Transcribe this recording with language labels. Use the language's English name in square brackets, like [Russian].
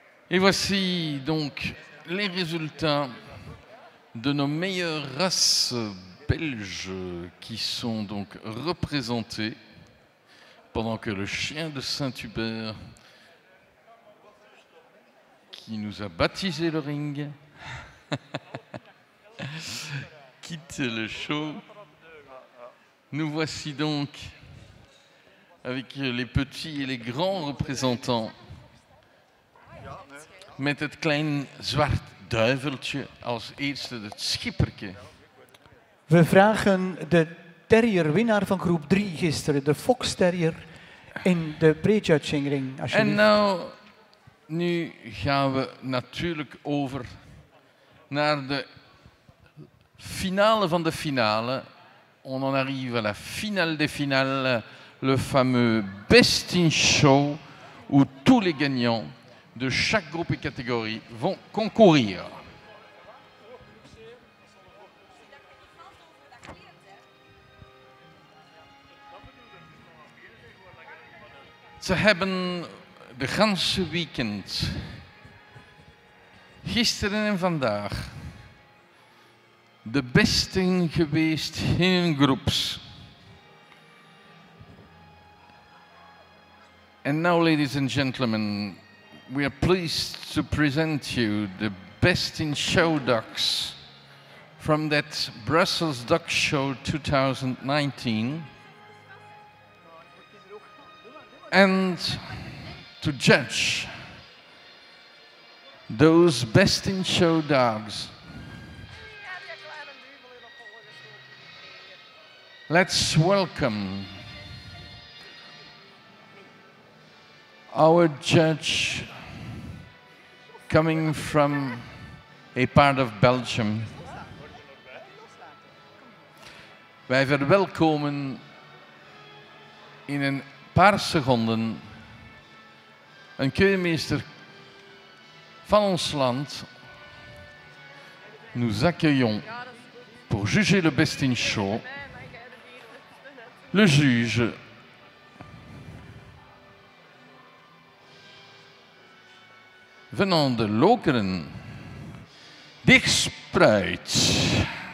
[French] Et voici donc les résultats de nos meilleures races belges qui sont donc représentées pendant que le chien de Saint-Hubert qui nous a baptisé le ring quitte le show. Nous voici donc avec les petits et les grands représentants. [Dutch] Met het klein zwart duiveltje als eerste, het schipperke. We vragen de terrierwinnaar van groep 3 gisteren, de Fox Terrier, in de prejudgingring. En nou, nu gaan we natuurlijk over naar de finale van de finale. [French] On en arrive à la finale des finales, le fameux Best in Show, où tous les gagnants de chaque groupe et catégorie vont concourir. [Dutch] Ze hebben de ganse weekend, gisteren en vandaag, de beste geweest in hun groeps. En nu, [English] ladies and gentlemen, we are pleased to present you the best in show ducks from that Brussels Duck Show 2019. And to judge those best in show dogs, let's welcome our judge, coming from a part of Belgium. [Dutch] Wij verwelkomen in een paar seconden een keurmeester van ons land. [French] Nous accueillons pour juger le best in show le juge venant de Lokeren, Dirk Spruit.